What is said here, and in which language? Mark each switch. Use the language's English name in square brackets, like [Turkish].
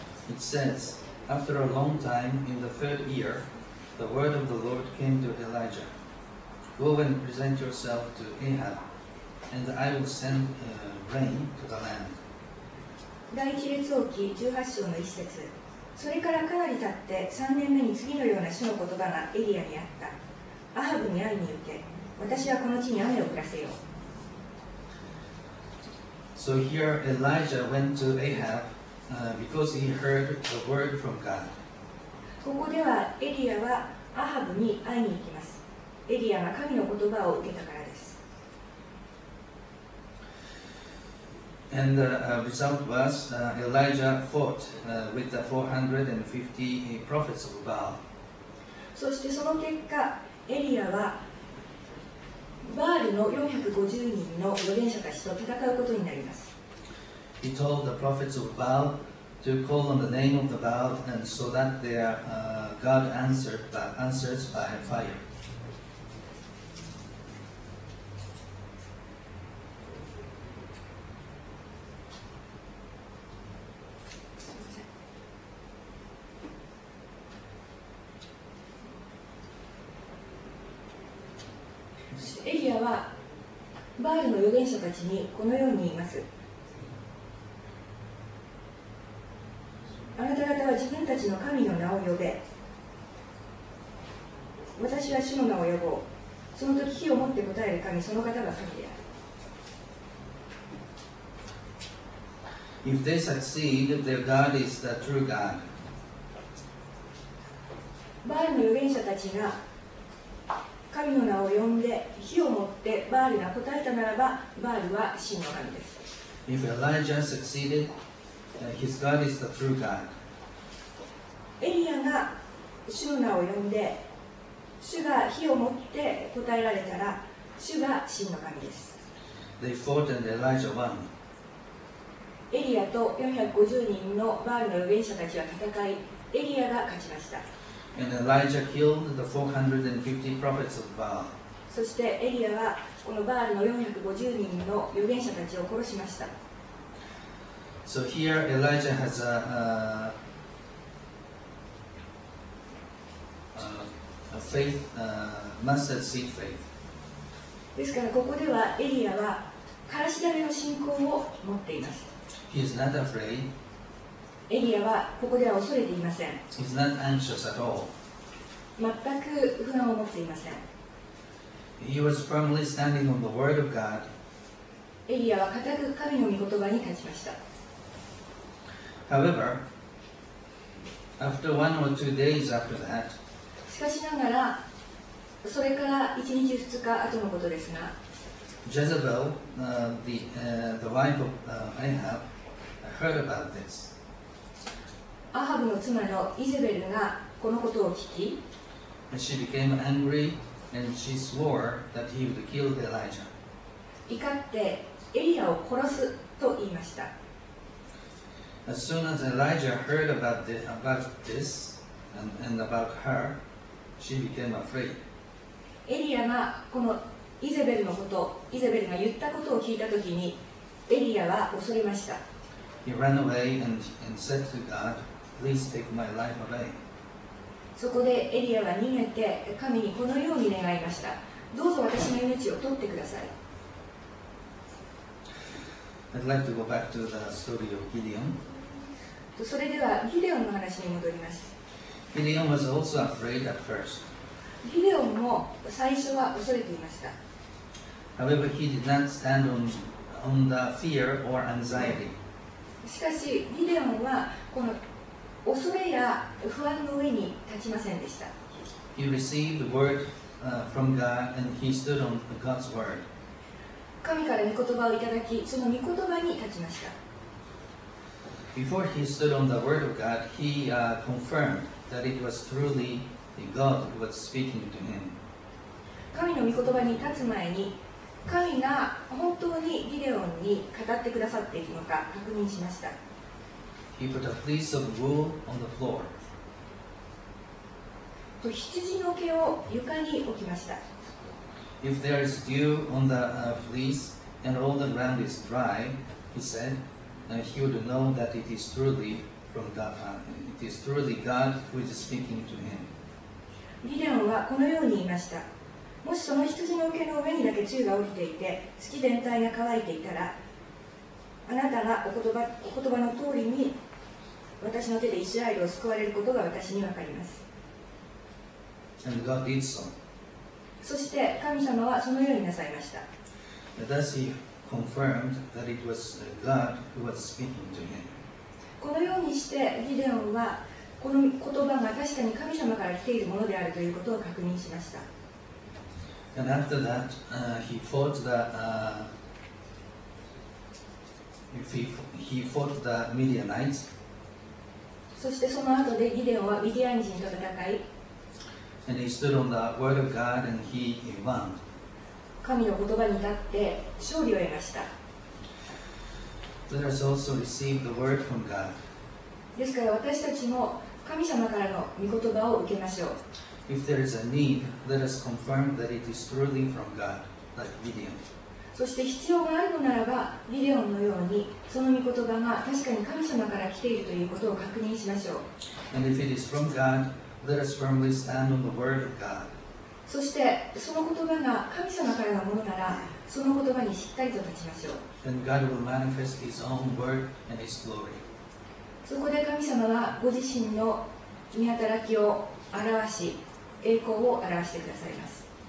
[English] It says, After a long time, in the third year, the word of the Lord came to Elijah. Go and present yourself to Ahab, and I will send rain to the land. [Japanese] 第一列王記18章の1節。それからかなり経って3年目に次のような主の言葉がエリアにあった。アハブに会いに行け、私はこの地に雨を降らせよう。 [English] So here Elijah went to Ahab, because he heard the word from God. [Japanese] ここではエリアはアハブに会いに行きます。エリアが神の言葉を受けたからです。 [English] And the result was Elijah fought with the 450 prophets of Baal. [Japanese] そしてその結果エリアはバールの450人の預言者たちと戦うことになります。 [English] He told the prophets of Baal to call on the name of the Baal and so that their God answers by fire. [Japanese] エリアはバールの預言者たちにこのように言います。あなた方は自分たちの神の名を呼べ、私は主の名を呼ぼう。その時火を持って答える神、その方が神である。 [English] If they succeed, their God is the true God. [Japanese] バールの預言者たちが神の名を呼んで火を持ってバールが答えたならば、バールは真の神です。 [English] If Elijah succeeded, his God is the true God. [Japanese] エリアが主の名を呼んで主が火を持って答えられたら、主が真の神です。 [English] They fought and Elijah won. [Japanese] エリアと450人のバールの預言者たちは戦い、エリアが勝ちました。 [English] And Elijah killed the 450 prophets of Baal. [Japanese] そしてエリアはこのバールの450人の預言者たちを殺しました。 [English] So here Elijah has a faith, mustard seed faith. [Japanese] ですからここではエリアはからし種の信仰を持っています。 [English] He is not afraid. [Japanese] エリアはここでは恐れていません。 [English] He's not anxious at all. [Japanese] 全く不安を持っていません。 [English] He was firmly standing on the word of God. [Japanese] エリアは固く神の御言葉に立ちました。 [English] However, after one or two days after that, [Japanese] しかしながら、それから1日2日後のことですが、 [English] Jezebel, the wife of Ahab, heard about this. [Japanese] アハブの妻のイゼベルがこのことを聞き、 [English] she became angry and she swore that he would kill Elijah. [Japanese] 怒ってエリアを殺すと言いました。 [English] As soon as Elijah heard about this and about her, she became afraid. [Japanese] エリアがこのイゼベルのこと、イゼベルが言ったことを聞いたときに、エリアは恐れました。 [English] He ran away and said to God,Please take my life away. [Japanese] そこでエリアは逃げて神にこのように願いました。どうぞ私の命を取ってください。 [English] I'd like to go back to the story of Gideon. [Japanese] それではギデオンの話に戻ります。 [English] Gideon was also afraid at first. [Japanese] ギデオンも最初は恐れていました。 [English] However, he did not stand on the fear or anxiety. [Japanese] しかしギデオンはこの恐れや不安の上に立ちませんでした。 [English] He received the word from God and he stood on God's word. [Japanese] 神から御言葉をいただき、その御言葉に立ちました。 [English] Before he stood on the word of God, he confirmed that it was truly God who was speaking to him. [Japanese] 神の御言葉に立つ前に、神が本当にギデオンに語ってくださっているのか確認しました。 [English] He put a fleece of wool on the floor. [Japanese] と羊の毛を床に置きました。 [English] If there is dew on the fleece and all the ground is dry, he said, he would know that it is truly from God. It is truly God who is speaking to him. [Japanese] ギデオンはこのように言いました。もしその羊の毛の上にだけ露が降りていて、月全体が乾いていたら、あなたがお言葉の通りに私の手でイスラエルを救われることが私にわかります。 [English] And God did so. [Japanese] そして神様はそのようになさいました。 [English] Thus he confirmed that it was God who was speaking to him. [Japanese] このようにしてギデオンはこの言葉が確かに神様から来ているものであるということを確認しました。 [English] And after that, he fought the Midianites. [Japanese] そしてその後でギデオはミディアン人と戦い。 [English] And he stood on the word of God and he won. [Japanese] 神の言葉に立って勝利を得ました。 [English] Let us also receive the word from God. [Japanese] ですから私たちも神様からの御言葉を受けましょう。 [English] If there is a need, let us confirm that it is truly from God, like Gideon. [Japanese] そして必要があるのならば、ギデオンのようにその御言葉が確かに神様から来ているということを確認しましょう。 [English] And if it is from God, let us firmly stand on the word of God. [Japanese] そしてその言葉が神様からのものなら、その言葉にしっかりと立ちましょう。 [English] Then God will manifest His own word and His glory. [Japanese] そこで神様はご自身の御働きを表し、栄光を表してくださいます。